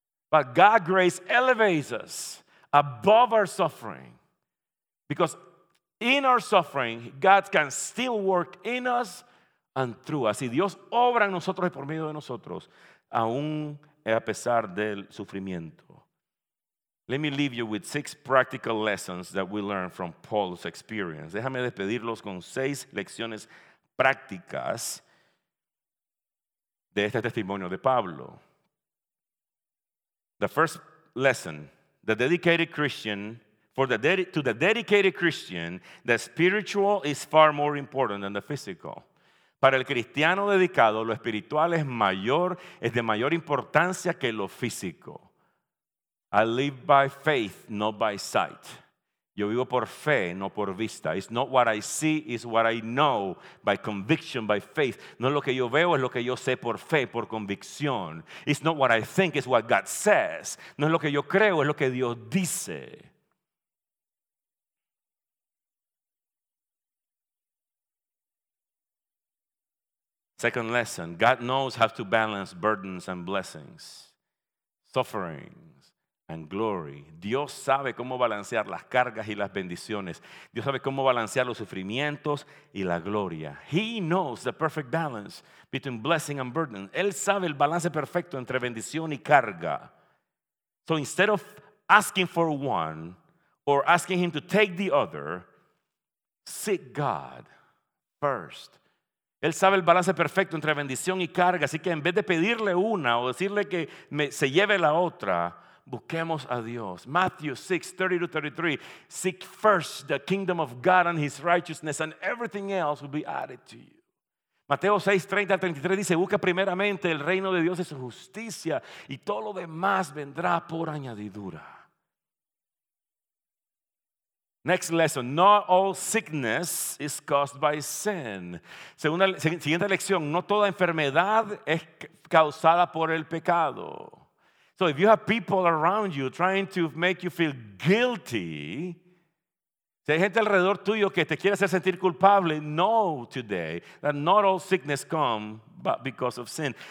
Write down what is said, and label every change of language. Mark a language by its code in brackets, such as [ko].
[en] But God's grace elevates us above our suffering, because in our suffering, God can still work in us and through us. [es] Y Dios obra en nosotros y por medio de nosotros, aún a pesar del sufrimiento. [en] Let me leave you with 6 practical lessons that we learned from Paul's experience. [es] Déjame despedirlos con 6 lecciones prácticas de este testimonio de Pablo. [en] The first lesson, to the dedicated Christian, the spiritual is far more important than the physical. [es] Para el cristiano dedicado, lo espiritual es de mayor importancia que lo físico. [en] I live by faith, not by sight. [es] Yo vivo por fe, no por vista. [en] It's not what I see, it's what I know by conviction, by faith. [es] No es lo que yo veo, es lo que yo sé por fe, por convicción. [en] It's not what I think, it's what God says. [es] No es lo que yo creo, es lo que Dios dice. [en] Second lesson, God knows how to balance burdens and blessings, sufferings and glory. [es] Dios sabe cómo balancear las cargas y las bendiciones. Dios sabe cómo balancear los sufrimientos y la gloria. [en] He knows the perfect balance between blessing and burden. [es] Él sabe el balance perfecto entre bendición y carga. [en] So instead of asking for one or asking Him to take the other, seek God first. [es] Él sabe el balance perfecto entre bendición y carga, así que en vez de pedirle una o decirle que se lleve la otra, busquemos a Dios. [en] Matthew 6, 30-33, seek first the kingdom of God and his righteousness and everything else will be added to you. [es] Mateo 6, 30-33 dice, busca primeramente el reino de Dios y su justicia y todo lo demás vendrá por añadidura. [en] Next lesson, not all sickness is caused by sin. [es] Siguiente lección, no toda enfermedad es causada por el pecado. [en] So if you have people around you trying to make you feel guilty, [es] si hay gente alrededor tuyo que te quiere hacer sentir culpable, [en] know today that not all sickness comes because of sin.